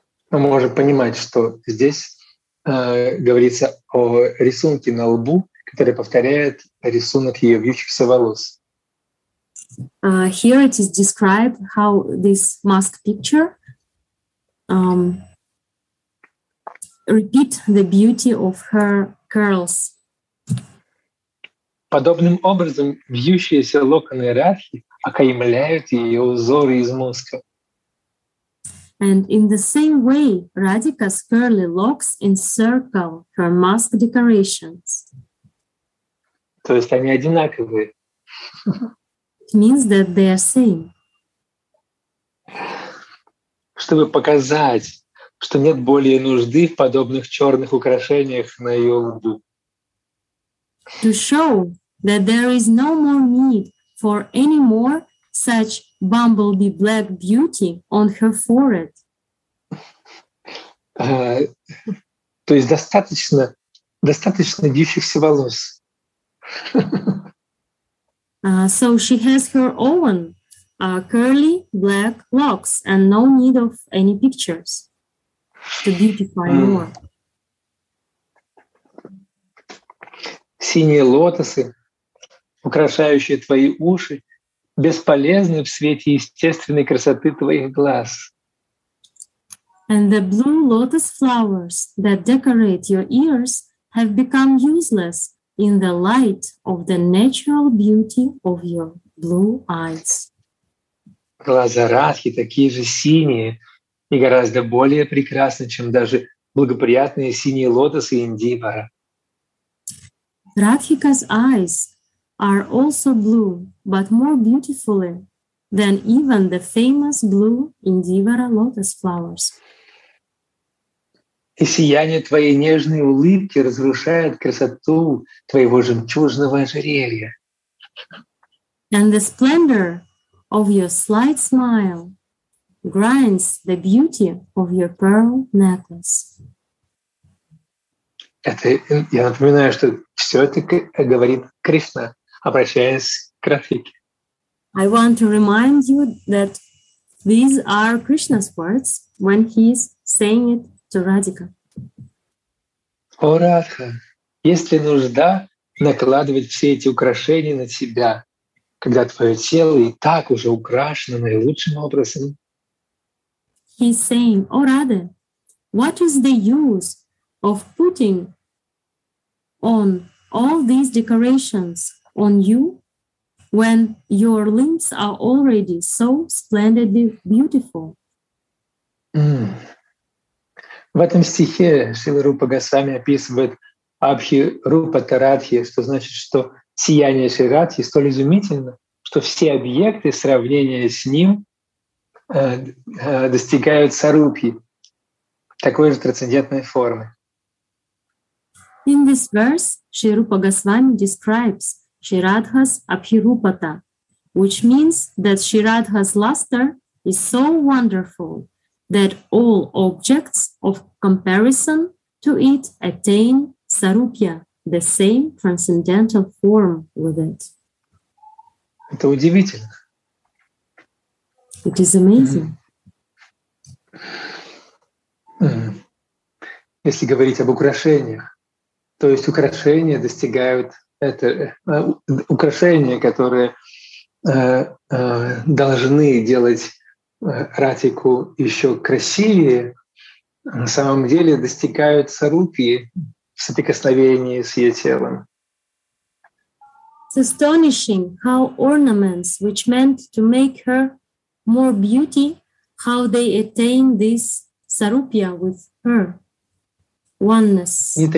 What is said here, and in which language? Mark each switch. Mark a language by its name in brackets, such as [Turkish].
[Russian] Мы можем понимать, что здесь говорится о рисунке на лбу, который повторяет рисунок ее вьющихся волос. [English] Here it is described how this mask picture repeat the beauty of her curls. [Russian] Подобным образом вьющиеся локоны Радхи окаймляют ее узоры из мозга. [English] And in the same way, Radhika's curly locks encircle her mask decorations. [Russian] То есть они одинаковые. [English] It means that they are same. [Russian] Чтобы показать, что нет более нужды в подобных черных украшениях на ее лбу. [English] To show that there is no more need for any more such bumblebee black beauty on her forehead. [Russian] То есть достаточно вьющихся волос. [English] So she has her own curly black locks and no need of any pictures to beautify more. [Russian] Синие лотосы, украшающие твои уши, бесполезны в свете естественной красоты твоих глаз. [English] And the blue lotus flowers that decorate your ears have become useless in the light of the natural beauty of your blue eyes. [Russian] Глаза Радхи такие же синие и гораздо более прекрасны, чем даже благоприятные синие лотосы Индибара. [English] Радхика's eyes are also blue, but more beautifully than even the famous blue Indivara lotus flowers. [Russian] И сияние твоей нежной улыбки разрушает красоту твоего жемчужного ожерелья. [English] And the splendor of your slight smile grinds the beauty of your pearl necklace. [Russian] Это, я напоминаю, что все это говорит Кришна, обращаясь к Радхике. [English] I want to remind you that these are Krishna's words when he is saying it to Radhika. [Russian] О, Радха, есть ли нужда накладывать все эти украшения на себя, когда твое тело и так уже украшено наилучшим образом? [English] He's saying, О, Радха, what is the use of putting on all these decorations on you when your limbs are already so splendidly beautiful? [Russian] В этом стихе Шрила Рупа Госвами описывает Абхи Рупа Тарадхи, что значит, что сияние Шри Радхи столь изумительно, что все объекты сравнения с ним достигают сарупхи, такой же трансцендентной формы. [English] In this verse, Shri Rupa Goswami describes Shri Radha's Abhirupata, which means that Shri Radha's luster is so wonderful that all objects of comparison to it attain sarupya, the same transcendental form with it. [Russian] Это удивительно. [English] It is amazing. [Russian] Если говорить об украшениях, то есть украшения достигают это украшения, которые должны делать Радхику еще красивее, на самом деле достигают сарупи в соприкосновении с ее телом. [English] It's astonishing how ornaments, which meant to make her more beauty, how they attain this sarupya with her oneness.